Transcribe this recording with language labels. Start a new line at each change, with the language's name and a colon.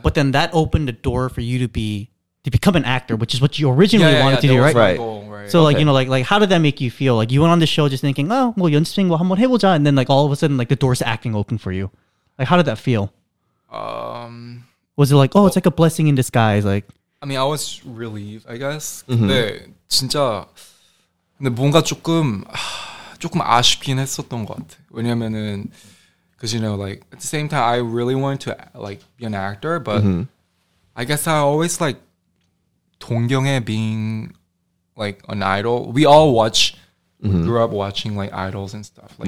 English: But then that opened the door for you to become an actor, which is what you originally wanted to do, right? Right. So okay. like, you know, like how did that make you feel? Like you went on the show just thinking, oh, well,
Korean: 연습생 뭐 한번 해보자.
English: And then like all of a sudden, like the doors to acting open for you. Like, how did that feel? Was it like, it's like a blessing in disguise? Like, I mean, I was relieved, I guess. Mm-hmm.
Korean: 근데 진짜 근데 뭔가 조금 아쉽긴 했었던 것 같아. 왜냐면은,
English: because you know, like at the same time, I really wanted to like be an actor, but mm-hmm. I guess I always like
Korean: 동경에
English: being like an idol. We all watch, mm-hmm. grew up watching like idols and stuff, like